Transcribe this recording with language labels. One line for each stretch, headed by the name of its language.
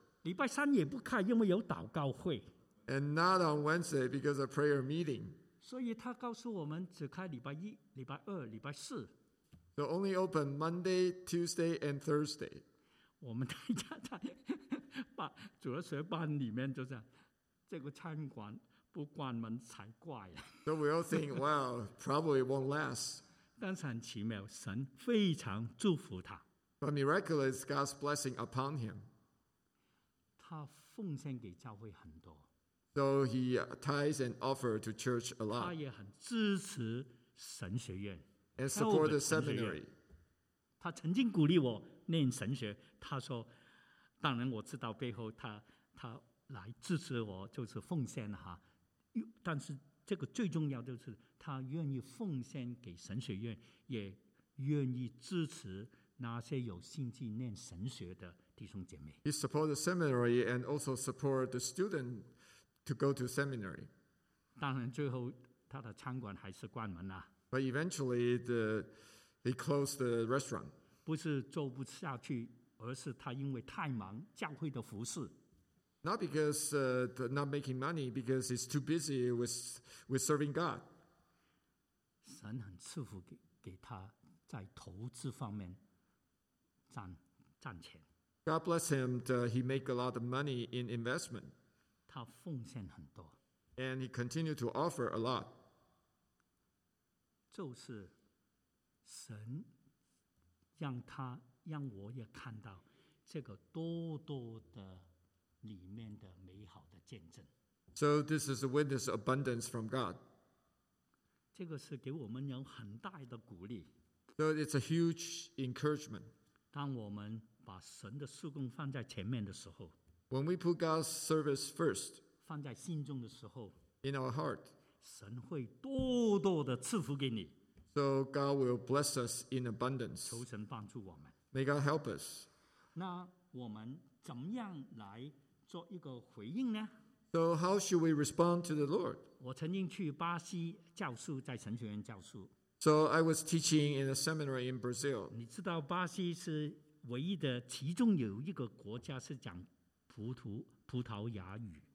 Chinese: 礼拜三也不开，因为有祷告会。
English: And not on Wednesday because of prayer meeting.
Chinese: 所以他告诉我们只开礼拜一、礼拜二、礼拜四。
English: So only open Monday, Tuesday, and Thursday.
Chinese: 我们大家在主日学班里面就这样，这个餐馆不关门才怪。
English: So we all think, wow, probably won't last.
Chinese: 但是很奇妙，神非常祝福他。
English: But miraculous, God's blessing upon him.
Chinese: 他奉献给教会很多。
English: So he tithes and offers to church a lot.
Chinese: 他也很支持神学院。
English: And support the seminary.
Chinese: 他曾经鼓励我念神学。他说当然我知道背后 他来支持我就是奉献哈，但是这个最重要就是他愿意奉献给神学院，也愿意支持那些有兴趣念神学的弟兄姐妹。
English: He supports the seminary and also supports the student to go to seminary.
Chinese: 当然最后他的餐馆还是关门了。
English: But eventually he closed the restaurant.
Chinese: 不是做不下去，而是他因为太忙教会的服事。
English: Not because not making money, because he's too busy with serving God.
Chinese: 神很赐福 给他在投资方面 赚钱。
English: God bless him, he make a lot of money in investment.
Chinese: 他奉献很多。
English: And he continued to offer a lot.
Chinese: 就是神让他让我也看到这个多多的里面的美好的见证。
English: So this is a witness of abundance from God.
Chinese: 这个是给我们有很大的鼓励。
English: So it's a huge encouragement.
Chinese: 当我们把神的事工放在前面的时候，
English: When we put God's service first,
Chinese: 放在心中的时候，
English: In our heart,
Chinese: 神会多多的赐福给你。
English: So God will bless us in abundance.
Chinese: 求神帮助我们。
English: May God help us.
Chinese: 那我们怎么样来做一个回应呢？
English: So how should we respond to the Lord?
Chinese: 我曾经去巴西教书，在神学院教书。
English: So I was teaching in a seminary in Brazil.
Chinese: 你知道巴西是唯一的，其中有一个国家是讲葡萄牙语。